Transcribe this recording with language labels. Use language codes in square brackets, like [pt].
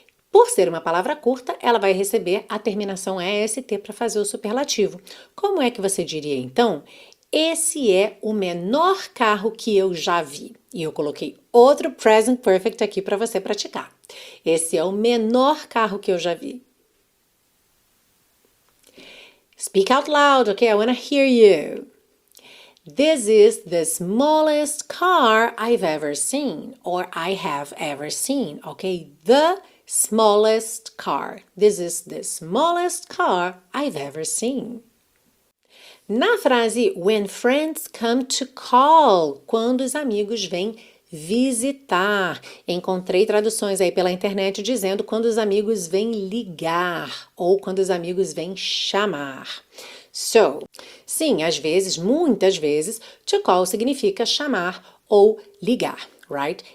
[pt] Por ser uma palavra curta, ela vai receber a terminação EST para fazer o superlativo. Como é que você diria, então? Esse é o menor carro que eu já vi. E eu coloquei outro present perfect aqui para você praticar. Esse é o menor carro que eu já vi. [en] Speak out loud, okay? I want to hear you. This is the smallest car I've ever seen, or I have ever seen, okay? The smallest car. This is the smallest car I've ever seen. [pt] Na frase [en] When friends come to call, [pt] quando os amigos vêm visitar. Encontrei traduções aí pela internet dizendo quando os amigos vêm ligar ou quando os amigos vêm chamar. So, sim, às vezes, muitas vezes, to call significa chamar ou ligar, right?